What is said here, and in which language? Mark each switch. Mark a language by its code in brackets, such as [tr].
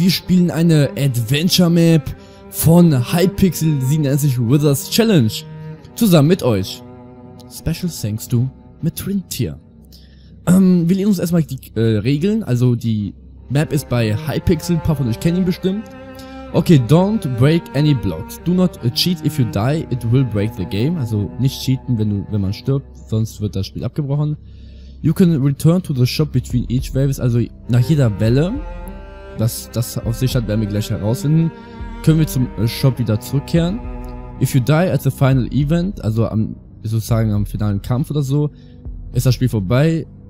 [de] Wir spielen eine Adventure-Map von Hypixel 97 Withers Challenge zusammen mit euch. [en] Special thanks to [de] Metrintia. Wir lesen uns erstmal die Regeln. Also die Map ist bei Hypixel, ein paar von euch kennen ihn bestimmt. [en] Okay, don't break any blocks. Do not cheat if you die, it will break the game. [de] Also nicht cheaten, wenn man stirbt, sonst wird das Spiel abgebrochen. [en] You can return to the shop between each wave, [de] also nach jeder Welle, was das auf sich hat, werden wir gleich herausfinden, können wir zum Shop wieder zurückkehren. [en] If you die at the final event, [de] also am sozusagen am finalen Kampf oder so, ist das Spiel vorbei.